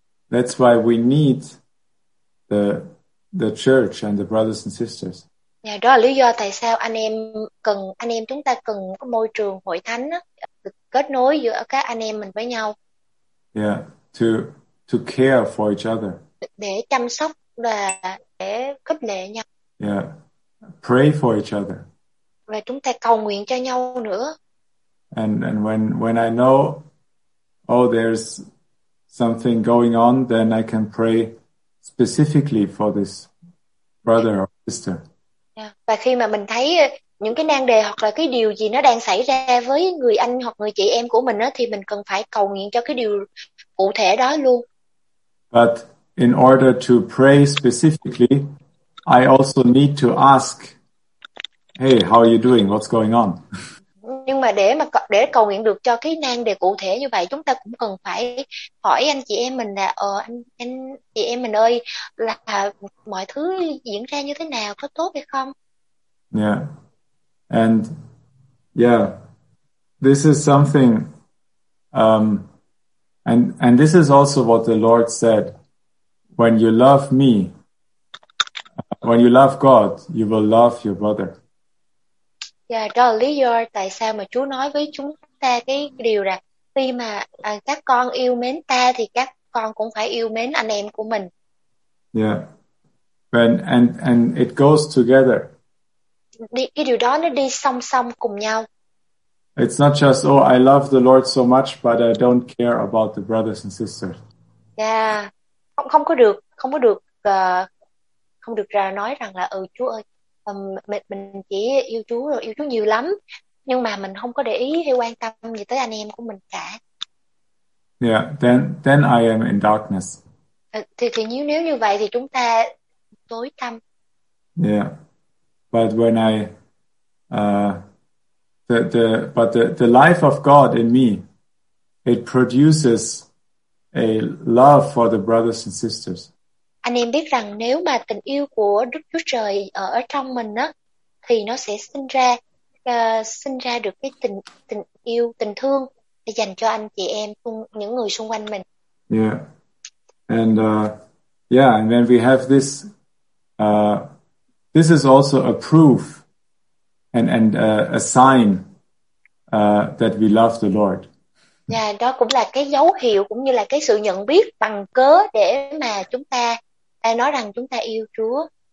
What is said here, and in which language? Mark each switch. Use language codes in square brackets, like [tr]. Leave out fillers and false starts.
[en] That's why we need the church and the brothers and sisters. [vi] Yeah, đó là lý do tại sao anh em chúng ta cần cái môi trường hội thánh đó, kết nối giữa các anh em mình với nhau. [en] Yeah, to care for each other. [vi] Để chăm sóc và để khích lệ nhau. [en] Yeah, pray for each other. [vi] Và chúng ta cầu nguyện cho nhau nữa. [en] And when I know, oh, there's something going on, then I can pray specifically for this brother or sister. Yeah. [vi] Và khi mà mình thấy những cái nan đề hoặc là cái điều gì nó đang xảy ra với người anh hoặc người chị em của mình á, thì mình cần phải cầu nguyện cho cái điều cụ thể đó luôn. [en] But in order to pray specifically, I also need to ask, hey, how are you doing? What's going on? [vi] Nhưng mà để cầu nguyện được cho cái nan đề cụ thể như vậy, chúng ta cũng cần phải hỏi anh chị em mình là anh chị em mình ơi, là mọi thứ diễn ra như thế nào, có tốt hay không? [en] Yeah. And yeah, this is something and this is also what the Lord said, when you love me, when you love God, you will love your brother. [vi] Yeah, đó là lý do tại sao mà Chúa nói với chúng ta cái điều là khi mà các con yêu mến ta thì các con cũng phải yêu mến anh em của mình. [en] Yeah. And it goes together. [vi] Cái điều đó nó đi song song cùng nhau. [en] It's not just, oh, I love the Lord so much but I don't care about the brothers and sisters. Yeah. [vi] Không có được nói rằng là Chúa ơi, mình chỉ yêu Chúa nhiều lắm nhưng mà mình không có để ý hay quan tâm gì tới anh em của mình cả. [en] Yeah, then I am in darkness. [vi] Thì nếu như vậy thì chúng ta tối tăm. [en] Yeah. But when I the life of God in me, it produces a love for the brothers and sisters. [vi] Anh em biết rằng nếu mà tình yêu của Đức Chúa Trời ở trong mình á, thì nó sẽ sinh ra được cái tình yêu, tình thương dành cho anh chị em, những người xung quanh mình. [en] Yeah. And Yeah, and then we have this. This is also a proof and a sign that we love the Lord. [vi] Yeah, đó cũng là cái dấu hiệu cũng như là cái sự nhận biết bằng cớ để mà chúng ta nói rằng chúng ta yêu Chúa.